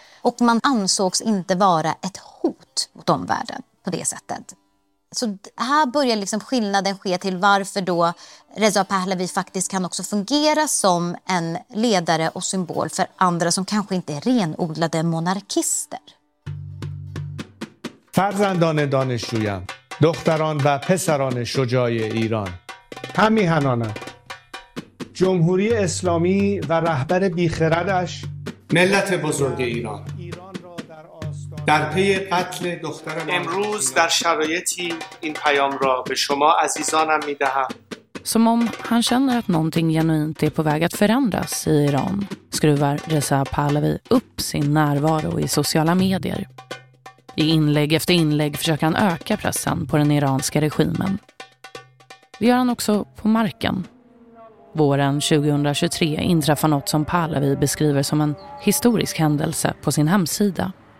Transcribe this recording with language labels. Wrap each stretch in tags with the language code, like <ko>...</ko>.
<sv>Och man ansågs inte vara ett hot mot omvärlden på det sättet. Så här börjar liksom skillnaden ske till varför då Reza Pahlavi faktiskt kan också fungera som en ledare och symbol för andra som kanske inte är renodlade monarkister.</sv> <fa>فرزندان دانشجویان، دختران و پسران شجاع ایران، همیهنان، جمهوری اسلامی و رهبر بیخردش، ملت بزرگ ایران. در پی قتل دخترم امروز در شرایطی این پیام را به شما عزیزانم می‌دهم</fa> <sv>Som om han känner att någonting genuint är på väg att förändras i Iran skruvar Reza Pahlavi upp sin närvaro i sociala medier. I inlägg efter inlägg försöker han öka pressen på den iranska regimen. Det gör han också på marken. Våren 2023 inträffar något som Pahlavi beskriver som en historisk händelse på sin hemsida.</sv>